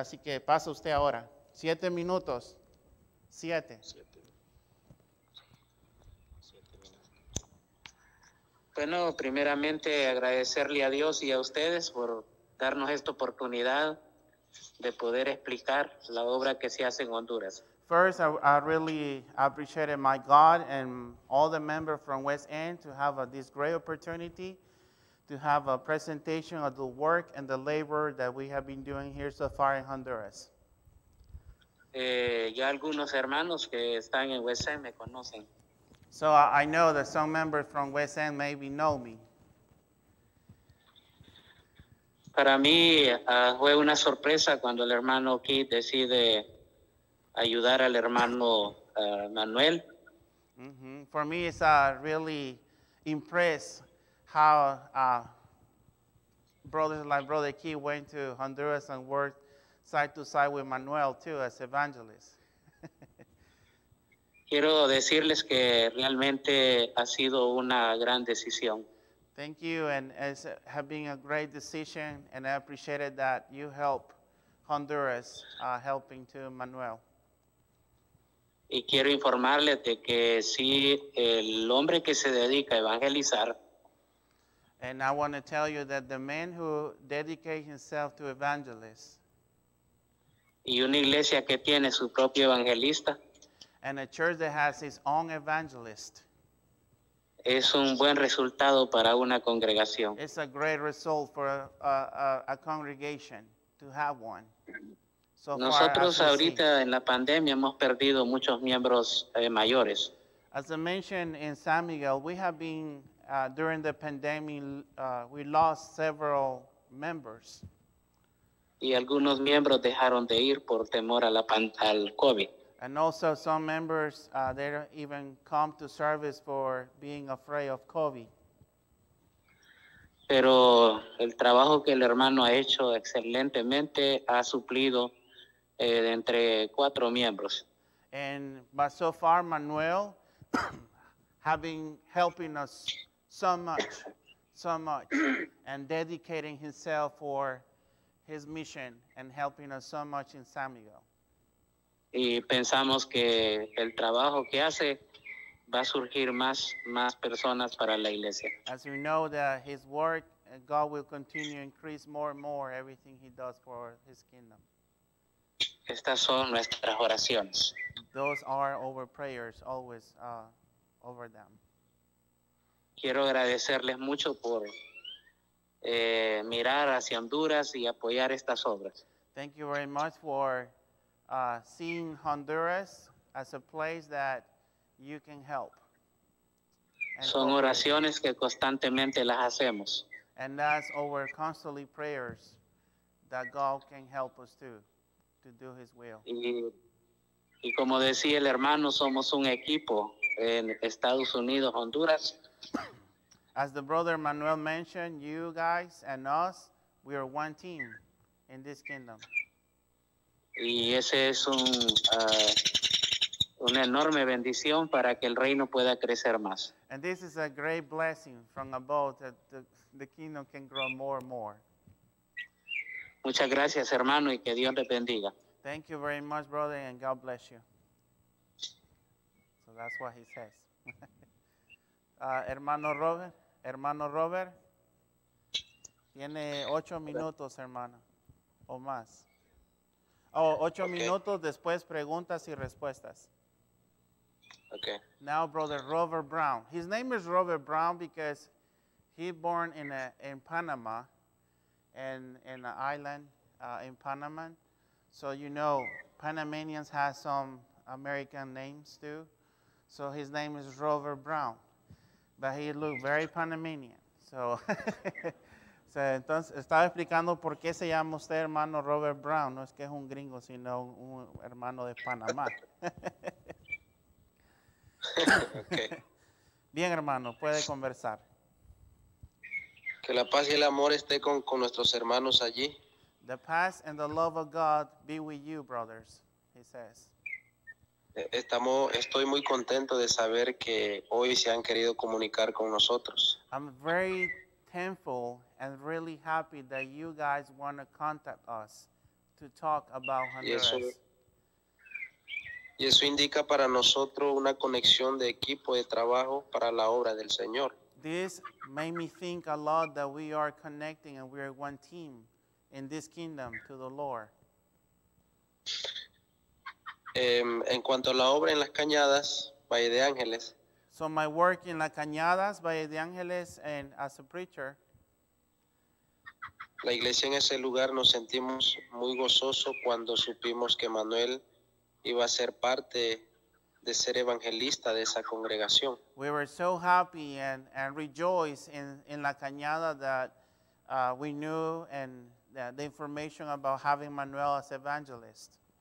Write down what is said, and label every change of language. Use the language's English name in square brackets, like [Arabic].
[Spanish] Así que pasa usted ahora. 7 minutos. 7. Bueno, primeramente agradecerle a Dios y a ustedes por darnos esta oportunidad de poder explicar la obra que se hace en Honduras. [English] First, I really appreciated my God and all the members from West End to have this great opportunity to have a presentation of the work and the labor that we have been doing here so far in Honduras. [Spanish] Ya algunos hermanos que están en West End me conocen. [English] So I know that some members from West End maybe know me. [Spanish] Para mí fue una sorpresa cuando el hermano Keith decide ayudar al hermano Manuel. Mm-hmm. [English] For me, it's really impressed how brothers like Brother Keith went to Honduras and worked side to side with Manuel too as evangelist. [Spanish] Quiero decirles que realmente ha sido una gran decisión. [English] Thank you, and it has been a great decision, and I appreciated that you help Honduras, helping to Manuel. [Spanish] Y quiero informarles de que sí, el hombre que se dedica a evangelizar. [English] And I want to tell you that the man who dedicates himself to evangelists. [Spanish] Y una iglesia que tiene su propio evangelista. [English] And a church that has its own evangelist. [Spanish] Es un buen resultado para una congregación. [English] It's a great result for a congregation to have one. [Spanish] So nosotros far, ahorita en la pandemia hemos perdido muchos miembros mayores. [English] As I mentioned in San Miguel, we have been, during the pandemic, we lost several members. [Spanish] Y algunos miembros dejaron de ir por temor al COVID. [English] And also some members, they don't even come to service for being afraid of COVID. [Spanish] Pero el trabajo que el hermano ha hecho excelentemente ha suplido entre 4 miembros. [English] But so far, Manuel has been helping us so much, and dedicating himself for his mission and helping us so much in San Miguel. [Spanish] Y pensamos que el trabajo que hace va a surgir más personas para la iglesia. [English] As we know that his work, God will continue to increase more and more everything he does for his kingdom. [Spanish] Estas son nuestras oraciones. [English] Those are our prayers, always over them. [Spanish] Quiero agradecerles mucho por mirar hacia Honduras y apoyar estas obras. [English] Thank you very much for seeing Honduras as a place that you can help. [Spanish] Son oraciones que constantemente las hacemos. [English] And that's our constantly prayers that God can help us to do his will. [Spanish] Y como decía el hermano, somos un equipo en Estados Unidos, Honduras. [English] As the brother Manuel mentioned, you guys and us, we are one team in this kingdom. [Spanish] Y ese es una enorme bendición para que el reino pueda crecer más. [English] And this is a great blessing from above that the kingdom can grow more and more. [Spanish] Muchas gracias, hermano, y que Dios le bendiga. [English] Thank you very much, brother, and God bless you. So that's what he says. [Spanish] Hermano Robert, tiene 8 minutos, hermano, o más. Ocho minutos, después preguntas y respuestas. [English] Okay. Now, brother Robert Brown. His name is Robert Brown because he born in Panama, in an island in Panama. So, you know, Panamanians have some American names too. So his name is Robert Brown. But he looked very Panamanian. [Spanish] So, so entonces, estaba explicando por qué se llama usted hermano Robert Brown. No es que es un gringo, sino un hermano de Panamá. [English] Okay. [Spanish] Bien, hermano, puede conversar. Que la paz y el amor esté con nuestros hermanos allí. [English] The peace and the love of God be with you, brothers, he says. [Spanish] Estoy muy contento de saber que hoy se han querido comunicar con nosotros. [English] I'm very thankful and really happy that you guys want to contact us to talk about Honduras. [Spanish] Y eso indica para nosotros una conexión de equipo de trabajo para la obra del Señor. [English] This made me think a lot that we are connecting and we are one team in this kingdom to the Lord. [Spanish] En cuanto a la obra en Las Cañadas, Valle de Ángeles. [English] So my work in Las Cañadas, Valle de Ángeles, and as a preacher. [Spanish] La iglesia en ese lugar nos sentimos muy gozoso cuando supimos que Manuel iba a ser parte de ser evangelista de esa congregación. [English] We were so happy and rejoiced in La Cañada that we knew and the information about having Manuel as evangelist.